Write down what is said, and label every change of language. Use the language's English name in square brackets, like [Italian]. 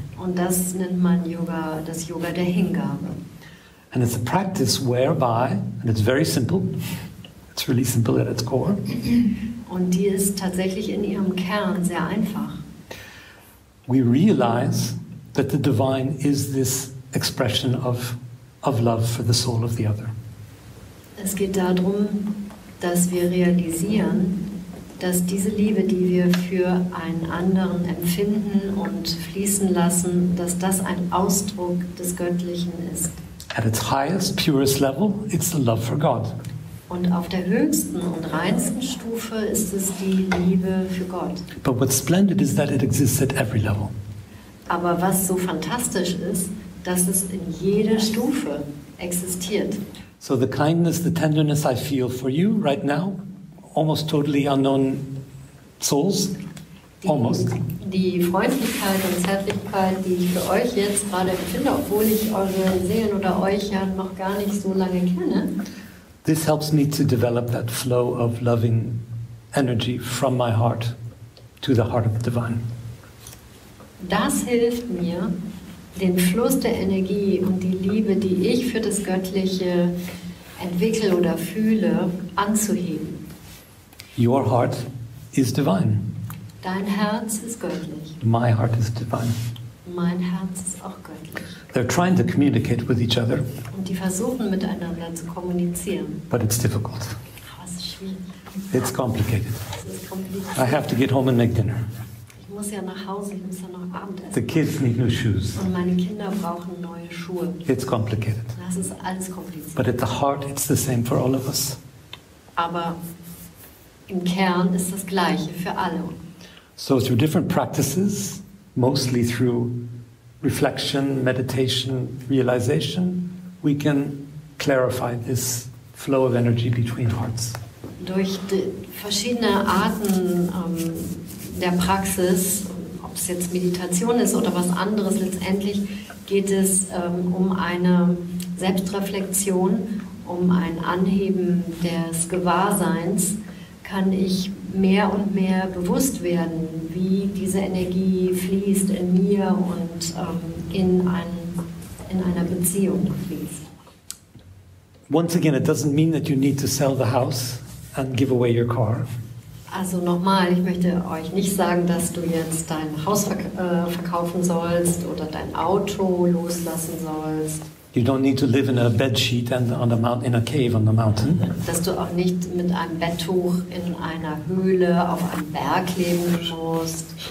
[German] Und das nennt man Yoga, das Yoga der Hingabe. [English] And it's a practice whereby, and it's very simple, it's really simple at its core. [German] Und die ist tatsächlich in ihrem Kern sehr einfach. [English] We realize that the divine is this expression of love for the soul of the other. [German] Es geht darum, dass wir realisieren, dass diese Liebe, die wir für einen anderen empfinden und fließen lassen, dass das ein Ausdruck des Göttlichen ist. [English] At its highest, purest level, it's the love for God. [German] Und auf der höchsten und reinsten Stufe ist es die Liebe für Gott. [English] But what's splendid is that it exists at every level. [German] Aber was so fantastisch ist, dass es in jeder Stufe existiert. [English] So the kindness, the tenderness I feel for you right now, almost totally unknown souls, almost. [German] Die Freundlichkeit und Zärtlichkeit, die ich für euch jetzt gerade empfinde, obwohl ich eure Seelen oder euch ja noch gar nicht so lange kenne. [English] This helps me to develop that flow of loving energy from my heart to the heart of the divine. [German] Das hilft mir, den Fluss der Energie und die Liebe, die ich für das Göttliche entwickle oder fühle, anzuheben. [English] Your heart is divine. [German] Dein Herz ist göttlich. [English] My heart is divine. [German] Mein Herz ist auch göttlich. [English] They're trying to communicate with each other. [German] Und die versuchen miteinander zu kommunizieren. [English] But it's difficult. [German] Aber es ist schwierig. [English] It's complicated. [German] Es ist kompliziert. [English] I have to get home and make dinner. [German] Ich muss ja nach Hause, ich muss ja noch Abendessen. [English] The kids need new shoes. [German] Und meine Kinder brauchen neue Schuhe. [English] It's complicated. [German] Das ist alles kompliziert. [English] But at the heart, it's the same for all of us. [German] Aber im Kern ist das Gleiche für alle. [English] So through different practices, mostly through reflection, meditation, realization, we can clarify this flow of energy between hearts. [German] Durch die verschiedene Arten der Praxis, ob es jetzt Meditation ist oder was anderes, letztendlich geht es um eine Selbstreflexion, um ein Anheben des Gewahrseins, kann ich mehr und mehr bewusst werden, wie diese Energie fließt in mir und in einer Beziehung fließt. [English] Once again, it doesn't mean that you need to sell the house and give away your car. [German] Also nochmal, ich möchte euch nicht sagen, dass du jetzt dein Haus verkaufen sollst oder dein Auto loslassen sollst. [English] You don't need to live in a bedsheet and on the mountain, in a cave on the mountain. [German] Dass du auch nicht mit einem Betttuch in einer Höhle auf einem Berg leben musst.